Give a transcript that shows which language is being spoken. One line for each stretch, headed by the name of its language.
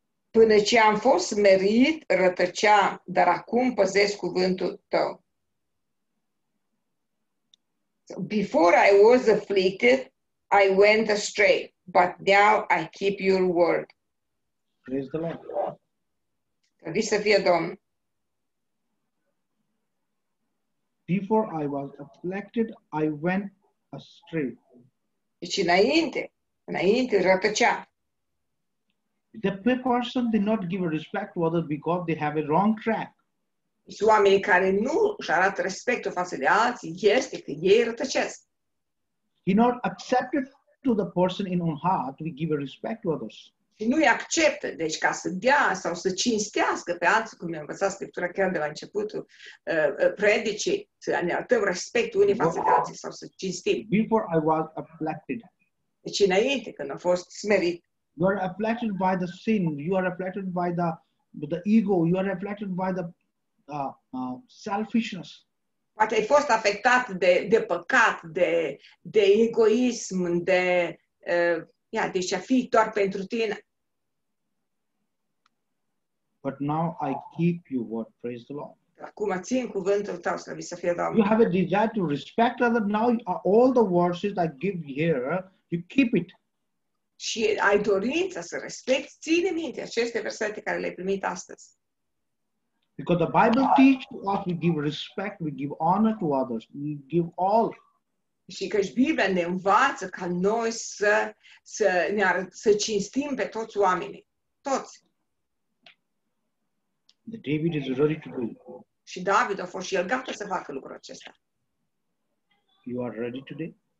Romanian: Până ce am fost smerit, rătăceam, dar acum păzesc cuvântul tău.
English: So, before I was afflicted, I went astray, but now I keep your word. Praise the Lord.
Romanian: Slăviți să fie Domn.
English: Before I was afflicted, I went astray.
Romanian: Deci înainte rătăcea.
English: The person did not give respect to others because they have a wrong track.
Romanian: Și oamenii care nu își arată respectul față de alții este că ei rătăcesc.
English: He not accepted to the person in own heart to give a respect to others.
Romanian: Și nu îi acceptă, deci ca să dea sau să cinstească pe alții, cum ne-a învățat Scriptura chiar de la începutul predicii, să ne arătăm respect unii față de alții sau să cinstim.
English: Before I was afflicted.
Romanian: Deci înainte, când a fost smerit.
English: You are afflicted by the sin, you are afflicted by the ego, you are afflicted by the selfishness.
Romanian: Poate ai fost afectat de păcat, de egoism, deci a fi doar pentru tine.
English: But now I keep your word, praise the Lord.
Romanian: Acum țin cuvântul tău, slăvi să fie Domnul.
English: You have a desire to respect others, now all the verses I give here, you keep it.
Romanian: Și ai dorința să respecti, ține minte aceste versete care le-ai primit astăzi.
English: Because the Bible teaches us we give respect, we give honor to others, we give all.
Romanian: Și căci Biblia ne învață ca noi să cinstim pe toți oamenii. Toți.
English: The David is ready to do it.
Romanian: Și David a fost și el gata să facă lucrul acesta.
English: You are ready today?